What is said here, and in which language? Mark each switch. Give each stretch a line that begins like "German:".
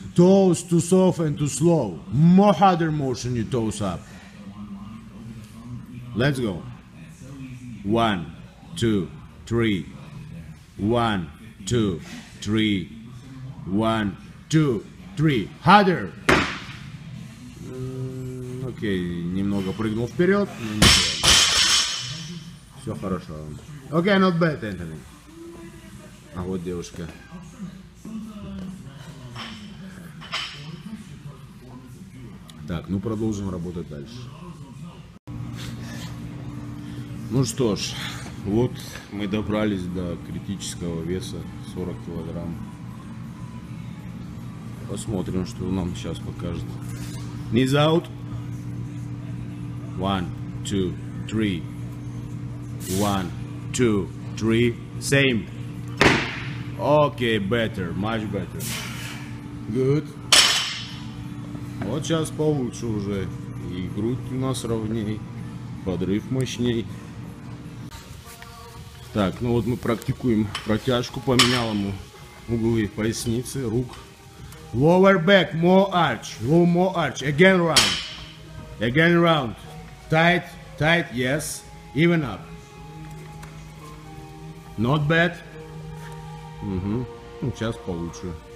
English: Toes too soft and too slow. More harder motion your toes up. Let's go. One. Two, three, one, two, three, one, two, three. Harder.
Russian: Окей, немного прыгнул вперед. Все хорошо.
English: Окей, not bad, Anthony.
Russian: А вот девушка. Так, ну продолжим работать дальше. Ну что ж. Вот мы добрались до критического веса 40 килограмм. Посмотрим, что нам сейчас покажет.
English: Knees out. One, two, three. One, two, three. Same. Okay, better, much better. Good.
Russian: Вот сейчас получше уже. И грудь у нас ровней. Подрыв мощней. Так, ну вот мы практикуем протяжку, поменял ему углы поясницы, рук.
English: Lower back, more arch, more arch, again round, tight, tight, yes, even up. Not bad.
Russian: Угу, ну, сейчас получше.